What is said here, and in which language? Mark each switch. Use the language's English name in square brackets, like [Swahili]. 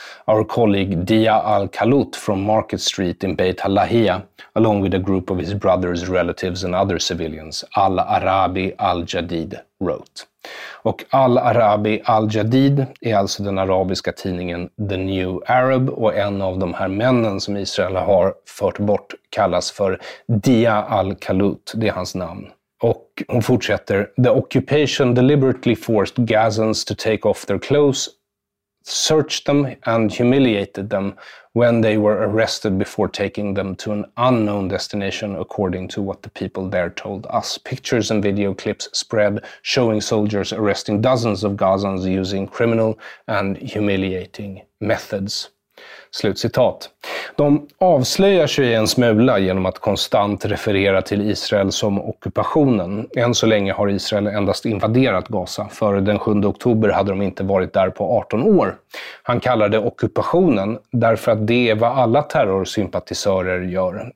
[English] Our colleague Dia al-Kalut from Market Street in Beit Halahia, along with a group of his brothers, relatives and other civilians, al-Arabi al-Jadid wrote." [Swedish] Och al-Arabi al-Jadid är alltså den arabiska tidningen The New Arab, och en av de här männen som Israel har fört bort kallas för Dia al-Kalut, det är hans namn. Och hon fortsätter, [English] "The occupation deliberately forced Gazans to take off their clothes, searched them and humiliated them when they were arrested before taking them to an unknown destination according to what the people there told us. Pictures and video clips spread showing soldiers arresting dozens of Gazans using criminal and humiliating methods." [Swedish] Slut citat. De avslöjar sig en smula genom att konstant referera till Israel som ockupationen. Än så länge har Israel endast invaderat Gaza. Före den 7 oktober hade de inte varit där på 18 år. Han kallar det ockupationen därför att det är vad alla terrorsympatisörer gör.